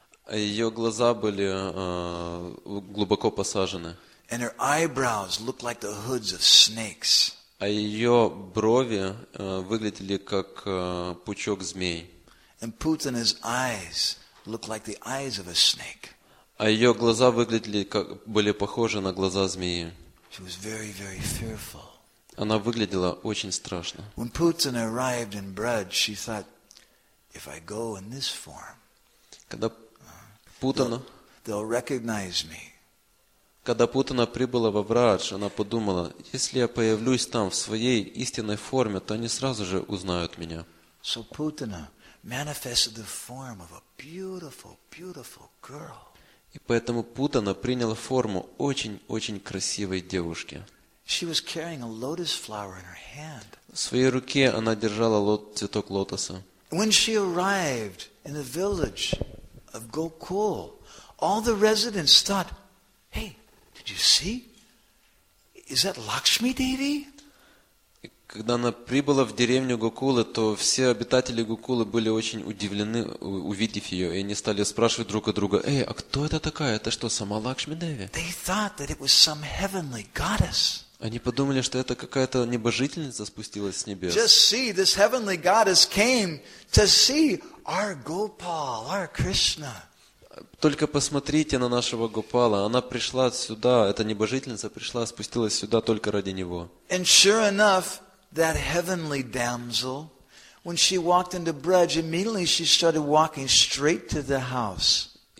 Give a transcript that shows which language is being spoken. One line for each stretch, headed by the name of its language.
Russian: Ее глаза были глубоко посажены.
English: And her eyebrows looked like the hoods of snakes.
Russian: А ее брови выглядели как пучок змей.
English: And Putin's eyes looked like the eyes of a snake.
Russian: А ее глаза выглядели как были похожи на глаза змеи.
English: She was very, very fearful.
Russian: Она выглядела очень страшно.
English: When Putin arrived in Brud, she thought, if I go in this form,
Russian: когда Путина,
English: they'll recognize me.
Russian: Когда Путина прибыла во Врадж, она подумала, если я появлюсь там в своей истинной форме, то они сразу же узнают меня.
English: So Putina manifested the form of a beautiful, beautiful girl.
Russian: И поэтому Путина приняла форму очень-очень красивой девушки.
English: She was carrying a lotus flower in her hand.
Russian: В своей руке она держала цветок лотоса.
English: When she arrived in the village of Gokul, all the residents thought, "Hey, did you see? Is that Lakshmi Devi?"
Russian: Когда она прибыла в деревню Гокулы, то все обитатели Гокулы были очень удивлены, увидев ее, и они стали спрашивать друг у друга: "Эй, а кто это такая? Это что, сама Лакшми Деви?"
English: They thought that it was some heavenly goddess.
Russian: Они подумали, что это какая-то небожительница спустилась с небес.
English: Just see, this heavenly goddess came to see our Gopal, our Krishna.
Russian: Только посмотрите на нашего Гопала. Она пришла сюда, эта небожительница пришла, спустилась сюда только ради него.
English: And sure enough, that heavenly damsel, when she walked into Braj, immediately she started walking straight to the house.